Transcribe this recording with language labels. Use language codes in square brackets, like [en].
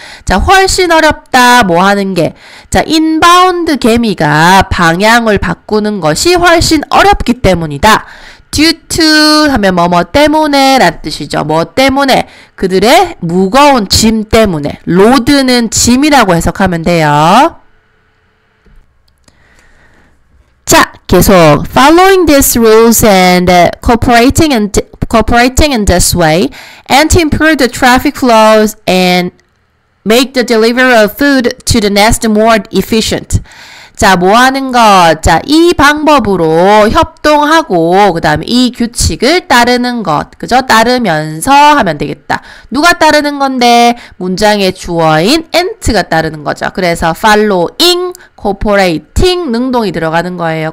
[ko] 자, 훨씬 어렵다. 뭐 하는 게? 자, inbound 개미가 방향을 바꾸는 것이 훨씬 어렵기 때문이다. due to 하면 뭐뭐 때문에 라는 뜻이죠. 뭐 때문에? 그들의 무거운 짐 때문에. 로드는 짐이라고 해석하면 돼요. 자, 계속 [en] following these rules and cooperating in this way and to improve the traffic flows and make the delivery of food to the nest more efficient. [ko] 자, 뭐 하는 거? 자, 이 방법으로 협동하고 그 다음에 이 규칙을 따르는 것. 그죠? 따르면서 하면 되겠다. 누가 따르는 건데? 문장의 주어인 ant가 따르는 거죠. 그래서 following, cooperating, 능동이 들어가는 거예요.